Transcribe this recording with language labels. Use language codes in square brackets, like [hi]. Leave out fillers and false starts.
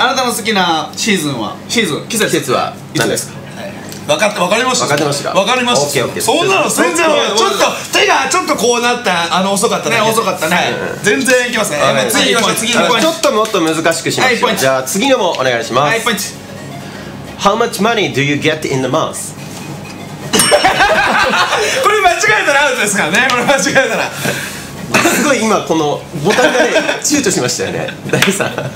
[ja] あなたの好きなシーズンは、シーズン、季節は何ですか？分かった、分かりました、分かってました、分かりました。オッケーオッケー。そんなの全然分かる。ちょっと手がちょっとこうなった、あの、遅かったね。遅かったね。全然いきますね。次行きましょう。ちょっともっと難しくします。じゃあ次のもお願いします。はい、ポイント。 [en] How much money do you get in the month? [ja] これ間違えたらアウトですからね。これ間違えたらすごい今このボタンがね、躊躇しましたよね、ダイさん。